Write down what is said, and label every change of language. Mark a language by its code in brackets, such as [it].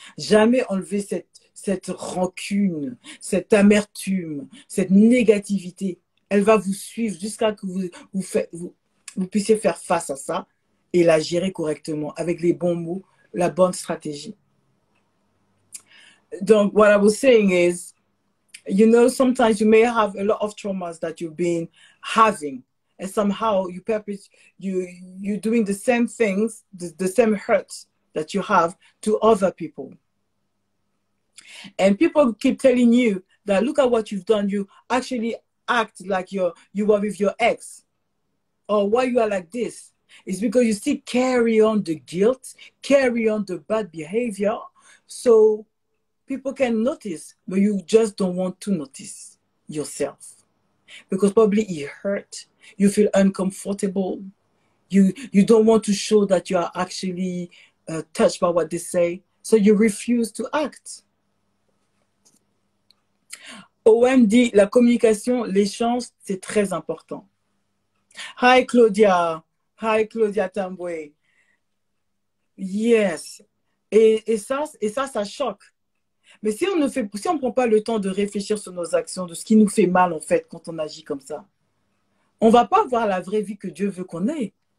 [fr] Jamais enlever cette rancune, cette amertume, cette négativité, elle va vous suivre jusqu'à ce que vous puissiez faire face à ça et la gérer correctement, avec les bons mots, la bonne stratégie. Donc, [en] what I was saying is, you know, sometimes you may have a lot of traumas that you've been having, and somehow you perpetuate, you're doing the same things, the same hurts that you have to other people. And people keep telling you that look at what you've done. You actually act like you were with your ex, or why you are like this. It's because you still carry on the guilt, carry on the bad behavior, so people can notice, but you just don't want to notice yourself, because probably it hurt. You feel uncomfortable. You don't want to show that you are actually touched by what they say, so you refuse to act. [fr] OM dit, la communication, l'échange, c'est très important. [en] Hi Claudia. Hi Claudia Tamboué. Yes. [fr] Et ça choque. Mais si on ne fait, si on prend pas le temps de réfléchir sur nos actions, de ce qui nous fait mal en fait quand on agit comme ça, on ne va pas voir la vraie vie que Dieu veut qu'on ait.